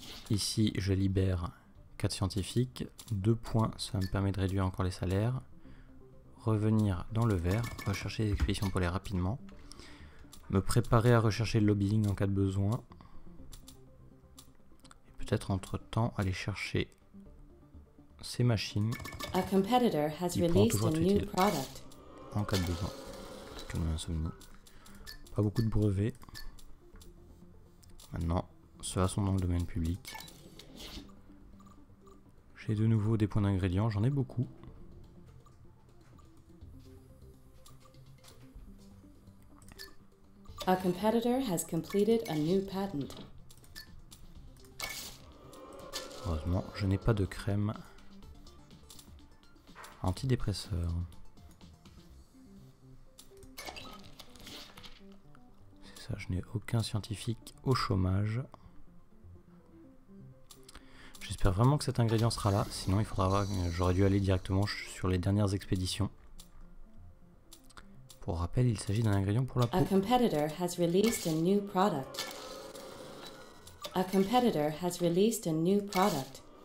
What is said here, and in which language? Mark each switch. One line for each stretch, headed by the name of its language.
French: Ici, je libère 4 scientifiques. 2 points, ça me permet de réduire encore les salaires. Revenir dans le vert, rechercher les expéditions polaires rapidement. Me préparer à rechercher le lobbying en cas de besoin. Et peut-être entre-temps aller chercher ces machines.
English: A competitor has released a new product.
French: En cas de besoin. Comme insomnie. Pas beaucoup de brevets. Maintenant, ceux-là sont dans le domaine public. J'ai de nouveau des points d'ingrédients, j'en ai beaucoup.
English: A competitor has completed a new patent.
French: Heureusement, je n'ai pas de crème antidépresseur. C'est ça, je n'ai aucun scientifique au chômage. J'espère vraiment que cet ingrédient sera là, sinon il faudra avoir... j'aurais dû aller directement sur les dernières expéditions. Pour rappel, il s'agit d'un ingrédient pour la peau.
English: A competitor has released a new product. A competitor has released a new product.